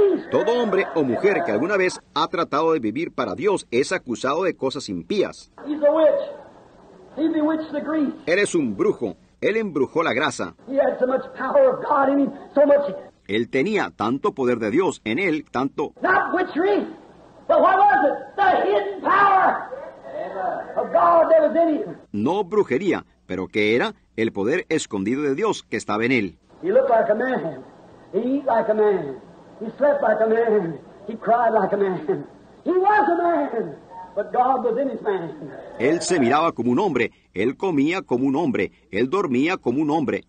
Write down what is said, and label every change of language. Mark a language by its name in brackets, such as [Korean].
[Spanish] Todo hombre o mujer que alguna vez ha tratado de vivir para Dios es acusado de cosas impías. [English] He's a witch. He bewitched the grease. [Spanish] Él es un brujo. Él embrujó la grasa. [English] He had so much power of God in him, so much. [Spanish] Él tenía tanto poder de Dios en él, tanto. [English] Not witchery, but what was it? The hidden power of God that was in him. [Spanish] No brujería, pero ¿qué era? El poder escondido de Dios que estaba en él. [English] He looked like a man. He ate like a man. He slept like a man. He cried like a man. He was a man. But God was in his man. [Spanish] Él se miraba como un hombre. Él comía como un hombre. Él dormía como un hombre.